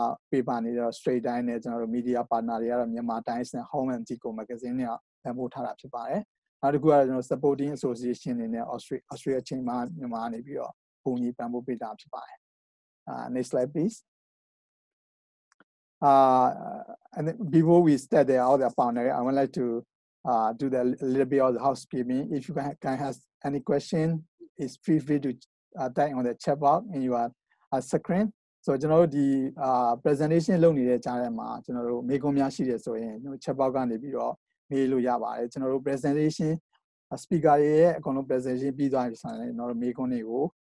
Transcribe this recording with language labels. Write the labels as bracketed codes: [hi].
[my] paper နေတော့ straight time နဲ့ကျွန်တော်တို့ media partner တွေကတော့ myanmar times နဲ့ home and tico magazine တွေကပံ့ပိုးထားတာဖြစ်ပါတယ်နောက်တစ်ခုကကျွန်တော် supporting association အနေနဲ့ Australia ချင်းမှာမြန်မာနေပြီးတော့ပုံကြီးပံ့ပိုးပေးတာဖြစ်ပါတယ်။ [en] next slide please. And before we start the other panel, I would like to do the little bit of the housekeeping. If you can have any question, it's feel free to type on the chat box in your screen. [my] So ကျွန်တော်ဒီ presentation လုပ်နေတဲ့ကြားထဲမှာကျွန်တော်တို့မေးခွန်းများရှိတယ်ဆိုရင်ကျွန်တော် chat box ကနေပြီးတော့မေးလို့ရပါတယ်ကျွန်တော်တို့ presentation speaker ရဲ့အကုန်လုံး presentation ပြီးသွားပြီဆိုရင်ကျွန်တော်တို့မေးခွန်းတွေကို